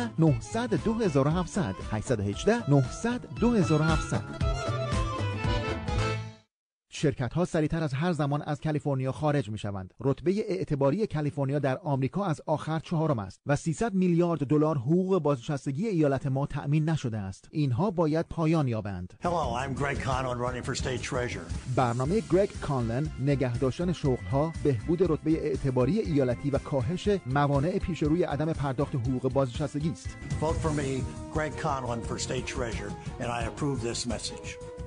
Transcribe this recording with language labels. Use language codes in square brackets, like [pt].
[fa] 818-900-2700 818-900-2700. شرکت ها سریعتر از هر زمان از کالیفرنیا خارج می شوند. رتبه اعتباری کالیفرنیا در آمریکا از آخر چهارم است و $300 میلیارد حقوق بازنشستگی ایالت ما تأمین نشده است. اینها باید پایان یابند. [en] Hello, I'm Greg Conlon running for state treasurer. [fa] برنامه گرگ کانلن نگه داشتن شغل ها، بهبود رتبه اعتباری ایالتی و کاهش موانع پیش روی عدم پرداخت حقوق بازنشستگی است. [en] Vote for me, Greg Conlon for state treasurer, and I approve this message.